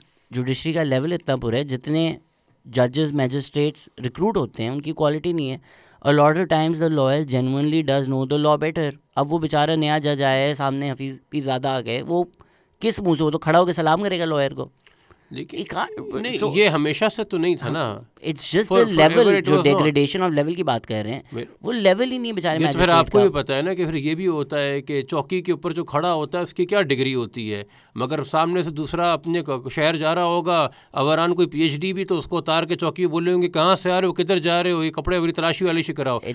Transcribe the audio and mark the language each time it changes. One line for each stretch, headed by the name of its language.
Urdu: Judiciary کا level اتنا پورا ہے, جتنے ججز میجسٹریٹس ریکروٹ ہوتے ہیں ان کی کوالٹی نہیں ہے.
English: A lot of times the lawyer genuinely does know the law better.
Urdu: اب وہ بیچارہ نیا جج آیا ہے, سامنے حفیظ پی زیادہ آ گئے, وہ کس منہ سے, وہ تو کھڑا ہو کے سلام کرے گا لائر کو. لیکن یہ ہمیشہ سے تو نہیں تھا نا,
English: it's just the level,
Urdu: جو ڈیگریڈیشن آف لیول کی بات کر رہے ہیں, وہ لیول ہی نہیں بیچارے. پھر آپ کو بھی پتا ہے نا کہ پھر یہ بھی ہوتا ہے کہ چوکی کے اوپر جو کھڑا ہوتا ہے اس کی کیا ڈگری ہوتی ہے, مگر سامنے سے دوسرا اپنے شہر جا رہا ہوگا اوران کوئی پی ایچ ڈی بھی, تو اس کو اتار کے چوکی بولے ہوں گے کہاں سے آ رہے ہو, کدھر جا رہے ہو, یہ کپڑے ابھی تلاشی والے سے کراؤ.